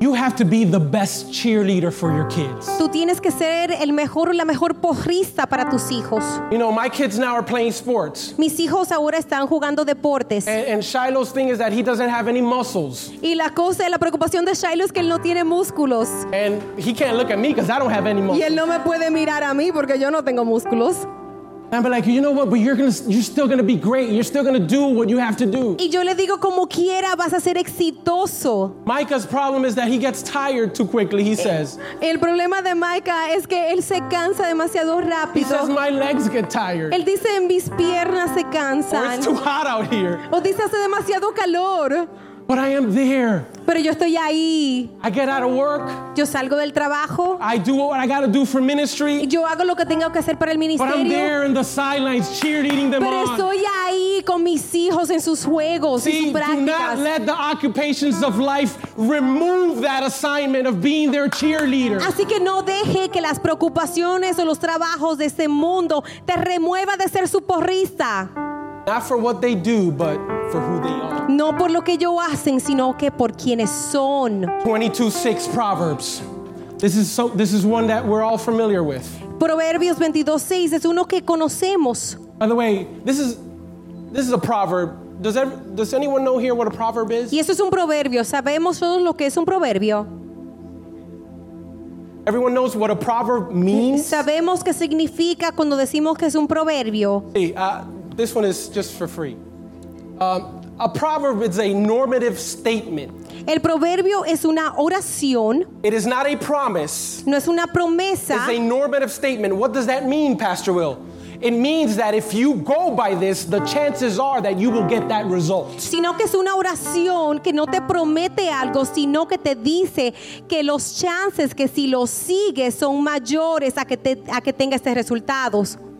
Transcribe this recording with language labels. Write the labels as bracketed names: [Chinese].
[English] You have to be the best cheerleader for your kids. [Spanish] Tú tienes que ser el mejor, la mejor porrista para tus hijos. [English] You know, my kids now are playing sports. [Spanish] Mis hijos ahora están jugando deportes. [English] And Shiloh's thing is that he doesn't have any muscles. [Spanish] Y la cosa, la preocupación de Shiloh es que él no tiene músculos. [English] And he can't look at me because I don't have any muscles. [Spanish] Y él no me puede mirar a mí porque yo no tengo músculos. [English] And I'm like, you know what? But you're still gonna be great. You're still gonna do what you have to do. [Spanish] Y yo le digo, como quiera, vas a ser exitoso. [English] Micah's problem is that he gets tired too quickly. He says. [Spanish] El problema de Micah es que él se cansa demasiado rápido. [English] He says my legs get tired. [Spanish] Él dice, mis piernas se cansan. [English] Or it's too hot out here. [Spanish] O dice, hace demasiado calor. [English] But I am there. [Spanish] Pero yo estoy ahí. [English] I get out of work. [Spanish] Yo salgo del trabajo. [English] I do what I got to do for ministry. [Spanish] Yo hago lo que tengo que hacer para el ministerio. [English] But I'm there in the sidelines cheerleading them [Spanish] Pero [English] on. [Spanish] Pero estoy ahí con mis hijos en sus juegos, [English] See, [Spanish] en sus prácticas. [English] Do not let the occupations of life remove that assignment of being their cheerleader. [Spanish] Así que no deje que las preocupaciones o los trabajos de este mundo te remueva de ser su porrista. [English] Not for what they do, but for who they are. [Spanish] No por lo que ellos hacen, sino que por quienes son. [English] 22:6 Proverbs. This is one that we're all familiar with. [Spanish] Proverbios 22:6 es uno que conocemos. [English] By the way, this is a proverb. Does anyone know here what a proverb is? [Spanish] Y eso es un proverbio. Sabemos todos lo que es un proverbio. [English] Everyone knows what a proverb means. [Spanish] Sabemos qué significa cuando decimos que es un proverbio. Sí. [English] This one is just for free. A proverb is a normative statement. [Spanish] El proverbio es una oración. [English] It is not a promise. [Spanish] No es una promesa. [English] It's a normative statement. What does that mean, Pastor Will? It means that if you go by this, the chances are that you will get that result. [Spanish] Sino que es una oración que no te promete algo, sino que te dice que los chances que si lo sigues son mayores a que tengas estos resultados.